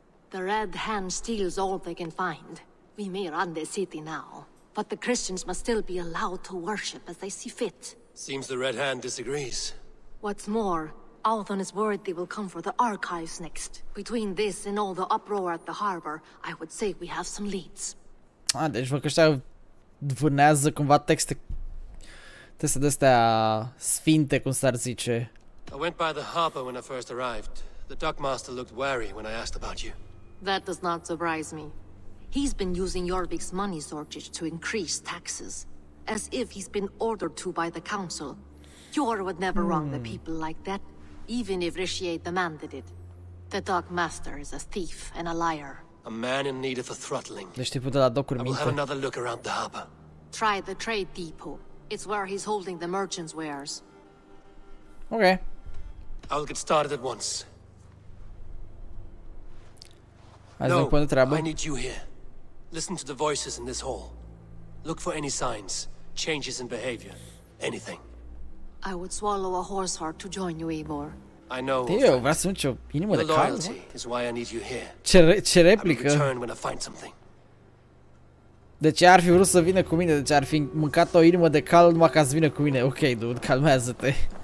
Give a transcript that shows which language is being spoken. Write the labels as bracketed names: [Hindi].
[English] The Red Hand steals all they can find. We may run the city now, but the Christians must still be allowed to worship as they see fit. Seems the Red Hand disagrees. What's more, Althon is worried they will come for the archives next. Between this and all the uproar at the harbor, I would say we have some leads. [Romanian] Ah, deci văd că ăștia vânează cumva texte de-astea sfinte, cum s-ar zice. [English] I went by the harbor when I first arrived. The Duckmaster looked wary when I asked about you. That does not surprise me. He's been using Jorvik's money shortage to increase taxes. As if he's been ordered to by the council. Jor would never wrong the people like that, even if Rishier demanded it. The Dark Master is a thief and a liar. A man in need of a throttling. [Romanian] Deci tipul de la docuri minte. [English] I will have another look around the harbor. Try the trade depot. It's where he's holding the merchant's wares. Okay. I will get started at once. No, I need you here. Listen to the voices in this hall. Look for any signs, changes in behavior, anything. I would swallow a horse heart to join you, Eivor. I know. [Romanian] Dio, vreau să mânci o inimă de cal. [English] Is why I need you here. [Romanian] Ce replică? [English] I will return when I find something. [Romanian] De ce ar fi vrut să vină cu mine? De ce ar fi mâncat o inimă de cal numai ca să vină cu mine? Ok, dude, calmează-te.